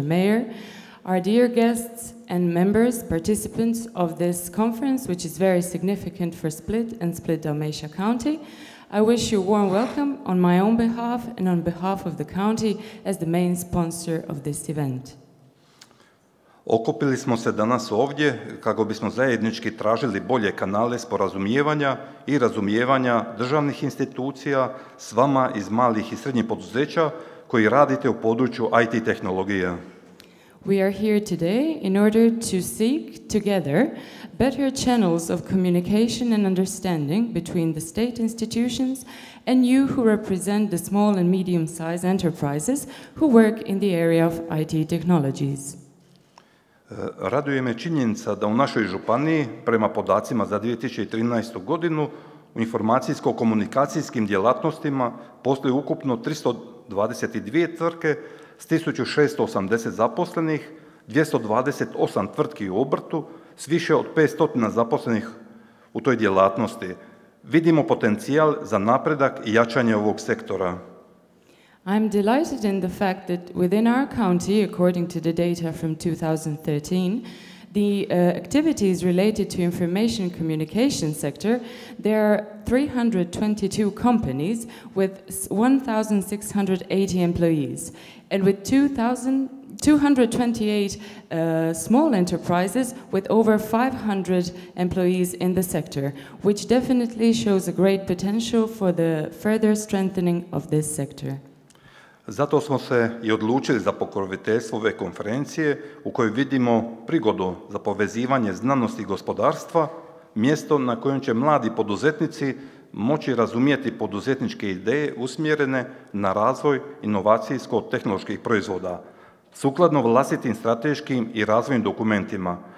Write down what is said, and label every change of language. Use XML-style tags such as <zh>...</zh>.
<en>Mayor, our dear guests and members, participants of this conference, which is very significant for Split and Split-Dalmatia County, I wish you a warm welcome on my own behalf and on behalf of the county as the main sponsor of this event.</en> <hr>Okupili smo se danas ovdje kako bismo zajednički tražili bolje kanale sporazumijevanja i razumijevanja državnih institucija s vama iz malih i srednjih poduzeća koji radite u području IT tehnologije.</hr> <en>We are here today in order to seek together better channels of communication and understanding between the state institutions and you who represent the small and medium-sized enterprises who work in the area of IT technologies.</en> <hr>Raduje me činjenica da u našoj županiji, prema podacima za 2013. godinu, u informacijsko-komunikacijskim djelatnostima postoji ukupno 322 tvrtke s 1680 zaposlenih, 228 tvrtki u obrtu, s više od 500 zaposlenih u toj djelatnosti. Vidimo potencijal za napredak i jačanje ovog sektora.</hr> <en>I'm delighted in the fact that within our county, according to the data from 2013, the activities related to information communication sector, there are 322 companies with 1,680 employees. And with 228 small enterprises with over 500 employees in the sector, which definitely shows a great potential for the further strengthening of this sector.</en> <hr>Zato smo se i odlučili za pokroviteljstvo ove konferencije u kojoj vidimo prigodu za povezivanje znanosti i gospodarstva, mjesto na kojem će mladi poduzetnici moći razumijeti poduzetničke ideje usmjerene na razvoj inovacijsko-tehnoloških proizvoda, sukladno vlastitim strateškim i razvojnim dokumentima.</hr>